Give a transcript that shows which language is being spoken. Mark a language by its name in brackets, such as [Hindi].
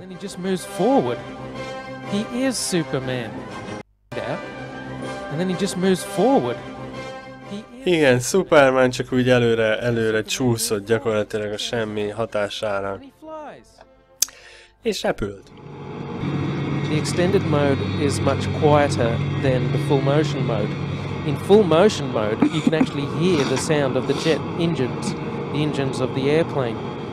[English] And he just moves forward. He is Superman. And then he just moves forward. [Hungarian] Igen, Superman csak úgy előre csúszott gyakorlatilag a semmi hatására. És repült. [English] The extended mode is much quieter than the full motion mode. In full motion mode, you can actually hear the sound of the jet engines, the engines of the airplane.